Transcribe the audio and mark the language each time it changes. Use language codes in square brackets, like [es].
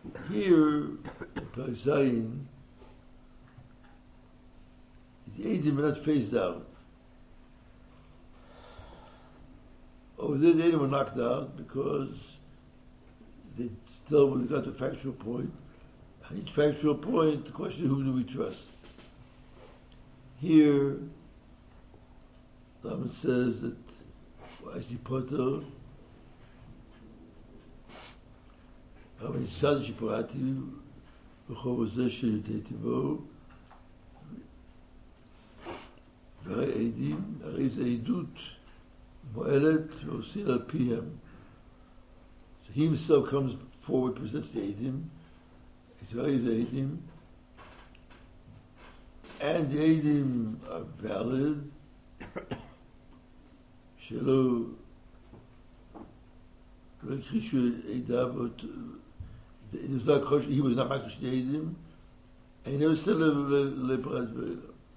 [en] Here, in Perek Zayin, the Eidim are not phased out. Over there, the Eidim were knocked out because they still haven't got to a factual point. And each factual point, the question is, whom do we trust? Here, the Rambam says that, as he put it, [he] אבל נזכר שפרעתי בחוב הזה שהודיתי בו והרי עדים, הרי זה עדות מועלת ועושים על פיהם. [en] So he himself comes forward, presents the עדים, [he] הרי זה עדים, [en] and the עדים are valid, [he] שלא הכחישו עדיו עוד [en] It was not Khosh, he was not Makash the Eidim, and he never said Leprat Veda.